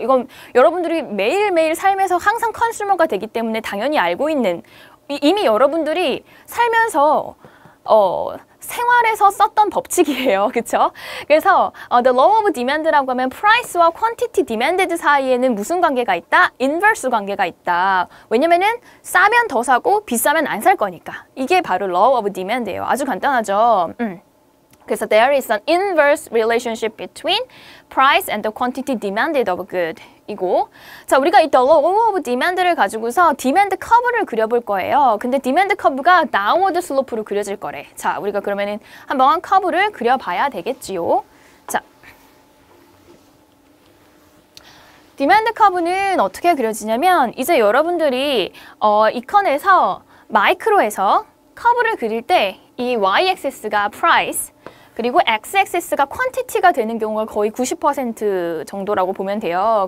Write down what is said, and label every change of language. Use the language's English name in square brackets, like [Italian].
[Korean] 이건 여러분들이 매일매일 삶에서 항상 컨슈머가 되기 때문에 당연히 알고 있는 이미 여러분들이 살면서 생활에서 썼던 법칙이에요. 그쵸? 그래서 the law of demand라고 하면 price와 quantity demanded 사이에는 무슨 관계가 있다? inverse 관계가 있다. 왜냐면은 싸면 더 사고 비싸면 안 살 거니까. 이게 바로 law of demand예요. 아주 간단하죠. 그래서 [English] there is an inverse relationship between price and the quantity demanded of good. [Korean] 이고 자, 우리가 이 law of demand를 가지고서 demand curve를 그려볼 거예요. 근데 demand curve가 downward slope로 그려질 거래. 자, 우리가 그러면은 한번 curve를 그려봐야 되겠지요. 자, demand curve는 어떻게 그려지냐면 이제 여러분들이 이컨에서 마이크로에서 curve를 그릴 때 이 y-axis가 price 그리고 x-axis가 quantity가 되는 경우가 거의 90% 정도라고 보면 돼요.